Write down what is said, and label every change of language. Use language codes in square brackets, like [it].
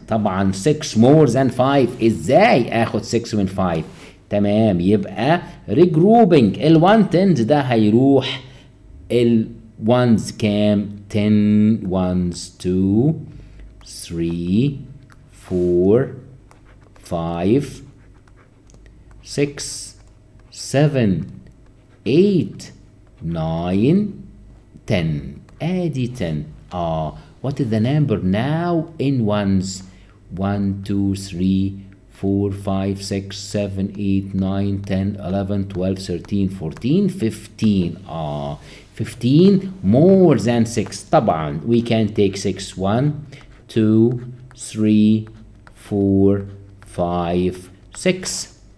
[en] طبعا 6 more than 5. [ar] إزاي أخذ 6 من 5؟ تمام. يبقى regrouping. ال 1 tens ده هيروح ال ones came 10 ones 2 3 4 5 6 7 8 9 10 ادي 10. [en] What is the number now in ones? 1 2 3 4 5 6 7 8 9 10 11 12 13 14 15. 15 more than 6. طبعا we can take 6. 1, 2, 3, 4, 5, 6.